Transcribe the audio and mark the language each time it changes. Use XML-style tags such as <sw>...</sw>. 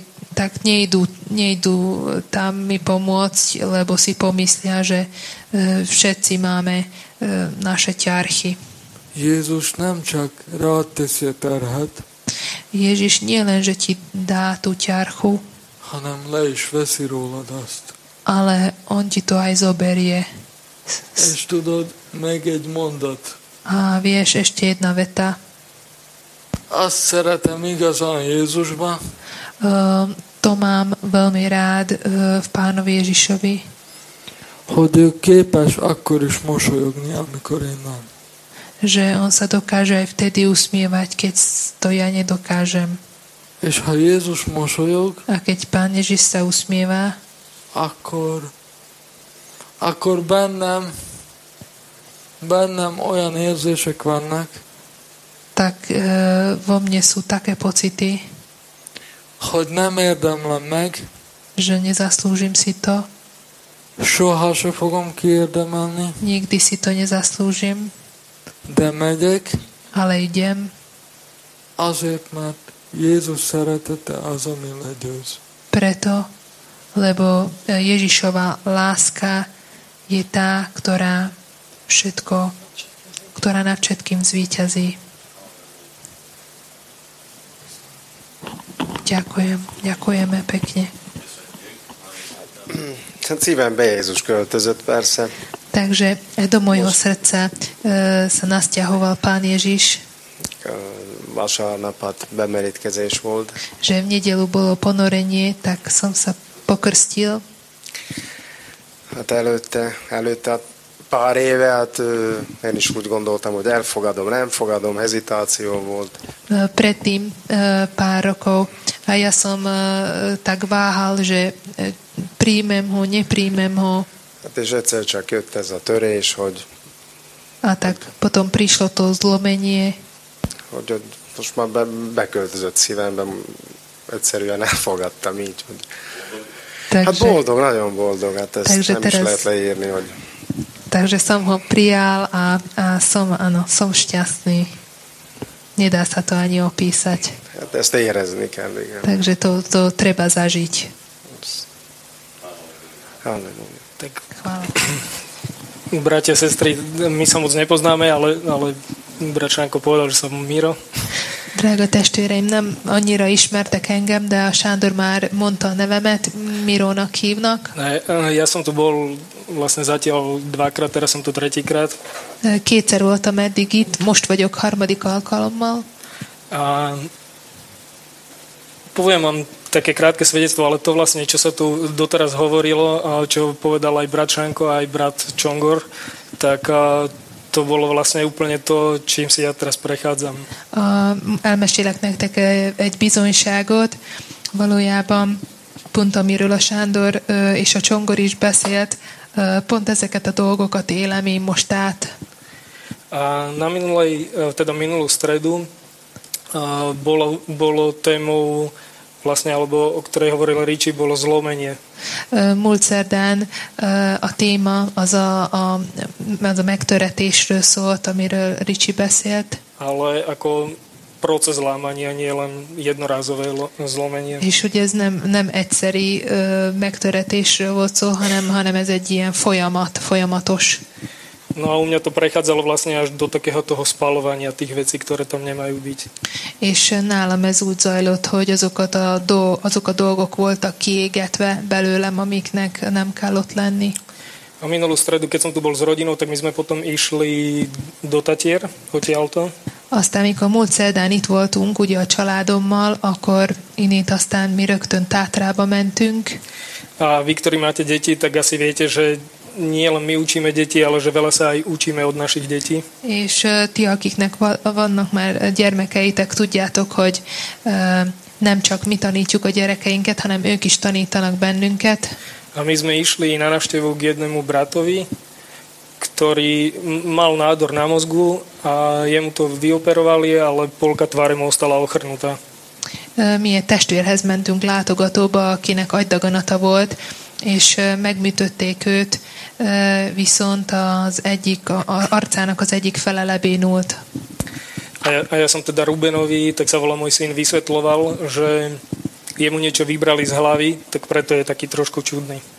<sk>Tak nejdú tam mi pomôcť, lebo si pomyslia, že všetci máme naše ťarchy.</sk> <hu>Jézus nem csak rád teszi a terhet.</hu> <sk>Ježiš nie len, že ti dá tú ťarchu,</sk> <hu>hanem le is veszi rólad azt.</hu> <sk>Ale on ti to aj zoberie.</sk> <hu>És tudod, meg egy mondat.</hu> <sk>A vieš, ešte jedna veta.</sk> <hu>Azt szeretem igazán Jézusban.</hu> <sk>To mám veľmi rád v Pánovi Ježišovi.</sk> <hu>Hogy ő képes akkor is mosolyogni, amikor én nem.</hu> <sk>Že on sa dokáže aj vtedy usmievať, keď to ja nedokážem.</sk> <hu>És ha Jézus mosolyog,</hu> <sk>a keď Pán Ježiš sa usmievá,</sk> <hu>akkor bennem olyan érzések vannak,</hu> <sk>tak vo mne sú také pocity,</sk> <hu>hogy nem érdemlem meg,</hu> <sk>že nezaslúžim si to,</sk> <hu>soha se fogom kiérdemelni,</hu> <sk>nikdy si to nezaslúžim,</sk> <hu>de megyek,</hu> <sk>ale idem,</sk> <hu>azért, mert Jézus szeretete az, ami legyőz.</hu> <sk>Preto, lebo Ježišova láska je tá, ktorá všetko, ktorá nad všetkým zvíťazí. Ďakujeme pekne.</sk> <hu>Ten cívem be Jézus költözött, persze.</hu> <sk>Takže do mojho srdca sa nasťahoval Pán Ježiš.</sk> <hu>Vasárnapat bemerítkezés volt.</hu> <sk>Že v nedelu bolo ponorenie, tak som sa pokrstil.</sk> <hu>Hát előtte pár éve, hát én is úgy gondoltam, hogy elfogadom, nem fogadom, hezitáció volt.</hu> <sk>Predtým pár rokov a ja som tak váhal, že príjmem ho, nepríjmem ho.</sk> <hu>Hát és egyszer csak jött ez a törés, hogy...</hu> <sk>A tak potom prišlo to zlomenie.</sk> <hu>Hogy most már beköltözött szívembe, egyszerűen elfogadtam így. Hogy...</hu> <sk>Takže,</sk> <hu>hát boldog, nagyon boldog, hát ezt nem</hu> <sk>teraz,</sk> <hu>is lehet leírni. Hogy...</hu> <sk>Takže som ho prijal a som, ano, som šťastný. Nedá sa to ani opísať.</sk> <hu>Hát ezt érezni kell, igen.</hu> <sk>Takže to, to treba zažiť. Tak, bratia, sestry, my sa moc nepoznáme, ale, ale bratšanko povedal, že som Miro.</sk> <hu>Drága testvéreim, nem annyira ismertek engem, de a Sándor már mondta a nevemet, Mirónak hívnak.</hu> <sk>Ne, ja som tu bol vlastne zatiaľ dvakrát, teraz som tu tretíkrát.</sk> <hu>Kétszer voltam eddig itt, most vagyok harmadik alkalommal.</hu> <sk>A, poviem vám také krátke svedectvo, ale to vlastne, čo sa tu doteraz hovorilo, čo povedal aj brat Šanko, aj brat Čongor, tak to bolo vlastne úplne to, čím si ja teraz prechádzam.</sk> <hu>Elmesélek nektek egy bizonyságot. Valójában pont amiről a Sándor és a Csongor is beszélt, pont ezeket a dolgokat élem én most át.</hu> <sk>Na minulej, teda minulú stredu bolo, bolo témou vlastne, alebo o ktorej hovoril Ricsi, bolo zlomenie.</sk> <hu>Múlt szerdán a téma az a, az a megtöretésről szólt, amiről Ricsi beszélt.</hu> <sk>Ale ako proces lámania, nie len jednorázové zlomenie.</sk> <hu>És hogy ez nem, nem egyszeri megtöretésről volt szó, hanem, hanem ez egy ilyen folyamat, folyamatos.</hu> <sk>No a u mňa to prechádzalo vlastne až do takého toho spalovania tých vecí, ktoré tam nemajú byť.</sk> <hu>És nálam ez úgy zajlott, hogy azokat a do, azok a dolgok voltak kiégetve belőlem, amiknek nem kell ott lenni.</hu> <sk>A minulú stredu, keď som tu bol s rodinou, tak my sme potom išli do Tatier, hotelto.</sk> <hu>Aztán, amikor múlt szerdán itt voltunk, ugye a családommal, akkor innét aztán mi rögtön Tátrába mentünk.</hu> <sk>A vy, ktorí máte deti, tak asi viete, že nie len my učíme deti, ale že veľa sa aj učíme od našich detí.</sk> <hu>És ti, akiknek vannak már gyermekeitek, tudjátok, hogy nem csak mi tanítjuk a gyerekeinket, hanem ők is tanítanak bennünket.</hu> <sk>A my sme išli na návštevu k jednému bratovi, ktorý mal nádor na mozgu a jemu to vyoperovali, ale polka tváre mu ostala ochrnutá.</sk> <hu>Mi egy testvérhez mentünk látogatóba, akinek agydaganata volt, és megműtötték őt, viszont az egyik, az arcának az egyik fele lebénult.</hu> <sk>A ja som teda Rubenovi, tak sa volá môj syn, vysvetloval, že jemu niečo vybrali z hlavy, tak preto je taký trošku čudný.</sk>